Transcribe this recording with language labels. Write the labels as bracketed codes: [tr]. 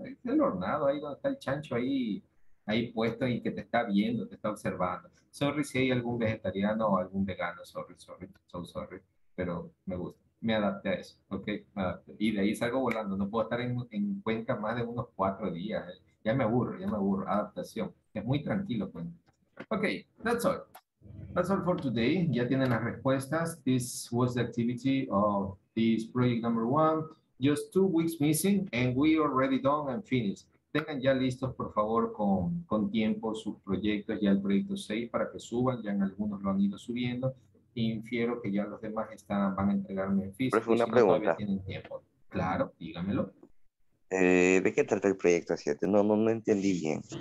[es] Es el hornado, ahí donde está el chancho ahí puesto y que te está viendo, te está observando. Sorry si hay algún vegetariano o algún vegano, sorry. Pero me gusta, me adapté a eso, ¿ok? Y de ahí salgo volando, no puedo estar en Cuenca más de unos 4 días, ya me aburro, adaptación, es muy tranquilo Cuenca. [en] Ok, that's all for today, [es] ya tienen las respuestas, [en] this was the activity of this project number one, just 2 weeks missing, and we already done and finished. [es] Tengan ya listos, por favor, con tiempo sus proyectos, ya el proyecto 6 para que suban, ya en algunos lo han ido subiendo, infiero que ya los demás van a entregarme en físico. Pero es una pregunta. Claro, dígamelo. ¿De qué trata el proyecto 7? No entendí bien.